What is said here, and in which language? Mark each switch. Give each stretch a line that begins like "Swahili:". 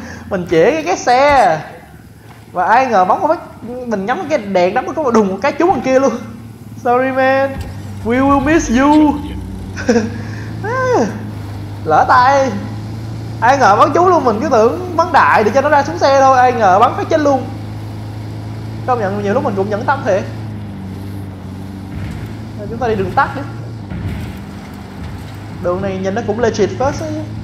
Vietnamese: Mình chĩa cái xe và ai ngờ bóng phát, mình nhắm cái đèn đắp có đùng một cái trúng đằng kia luôn.
English: Sorry man, we will miss you.
Vietnamese: Lỡ tay. Ai ngờ bắn trúng luôn, mình cứ tưởng bắn đại để cho nó ra xuống xe thôi, ai ngờ bắn phát chết luôn. Công nhận nhiều lúc mình cũng nhẫn tâm thiệt. Chúng ta đi đường tắt đi. Đường này nhìn nó cũng legit first ấy.